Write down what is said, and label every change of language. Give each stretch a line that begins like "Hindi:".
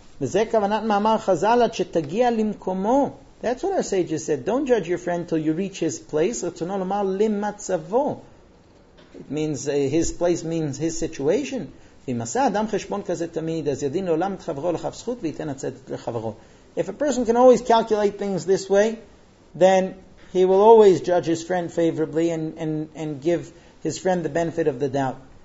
Hebrew: וזה כוונת מאמר חזל עד שתגיע למקומו.
English: That's what our sages said. Don't judge your friend till you reach his place.
Hebrew: רצונו לומר למצבו.
English: It means his place means his situation.
Hebrew: אם עשה אדם חשבון כזה תמיד, אז ידין לעולם את חברו לחף זכות ויתן הצדת לחברו.
English: If a person can always calculate things this way, then he will always judge his friend favorably and give his friend the benefit of the doubt.